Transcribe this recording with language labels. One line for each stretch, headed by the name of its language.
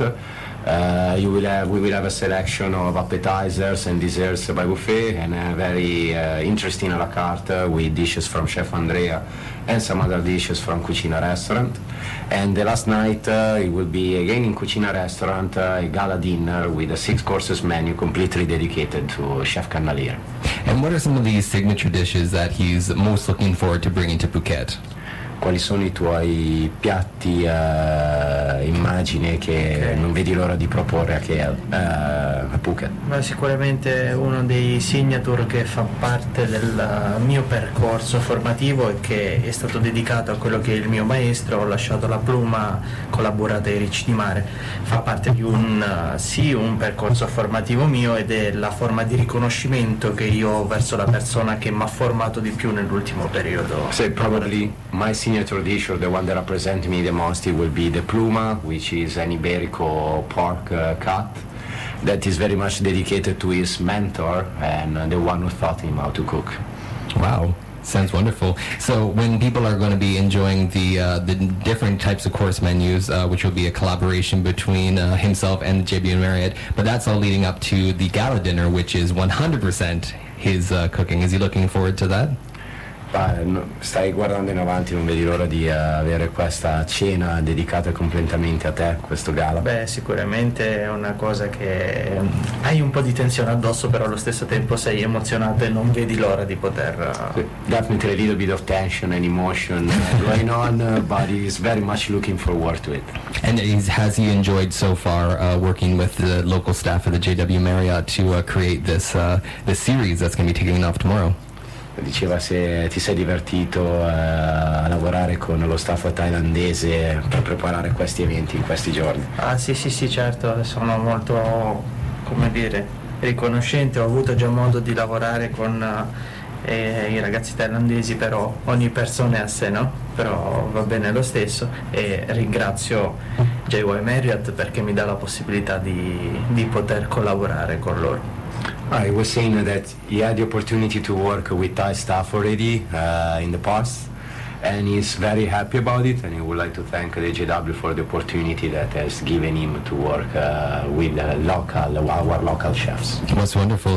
English: We will have a selection of appetizers and desserts by buffet, and a very interesting a la carte with dishes from Chef Andrea and some other dishes from cucina restaurant. And the last night it will be again in cucina restaurant, a gala dinner with a 6 courses menu completely dedicated to Chef Canaliere. And what are some of the signature dishes that he's most looking forward to bringing to Phuket?
Italian: Quali sono i tuoi piatti immagine che non vedi l'ora di proporre a Phuket? Ma sicuramente uno dei signature che fa parte del mio percorso formativo e che è stato dedicato a quello che è il mio maestro, ho lasciato la pluma collaborata ai Ricci di Mare, fa parte di un percorso formativo mio ed è la forma di riconoscimento che io ho verso la persona che mi ha formato di più nell'ultimo periodo.
English: Sì, probably my signature dish, or the one that represents me the most, it will be the pluma, which is an Iberico pork cut that is very much dedicated to his mentor and the one who taught him how to cook. Wow, sounds wonderful. So when people are going to be enjoying the different types of course menus, which will be a collaboration between himself and the JW Marriott, but that's all leading up to the gala dinner, which is 100% his cooking. Is he looking forward to that?
Italian: Stai guardando in avanti, non vedi l'ora di avere questa cena dedicata completamente a te, questo gala? Beh, sicuramente è una cosa che hai un po' di tensione addosso, però allo stesso tempo sei emozionato e non vedi l'ora di poter...
English: Definitely a little bit of tension and emotion going on, but he's very much looking forward to it. And has he enjoyed so far working with the local staff of the JW Marriott to create this series that's going to be taking off tomorrow?
Italian: Diceva se ti sei divertito a lavorare con lo staff thailandese per preparare questi eventi in questi giorni. Ah sì, certo, sono molto, come dire, riconoscente. Ho avuto già modo di lavorare con i ragazzi thailandesi, però ogni persona è a sé, no? Però va bene lo stesso e ringrazio JY Marriott perché mi dà la possibilità di poter collaborare con loro.
English: I was saying that he had the opportunity to work with Thai staff already in the past, and he's very happy about it, and he would like to thank the JW for the opportunity that has given him to work with our local chefs. That's wonderful.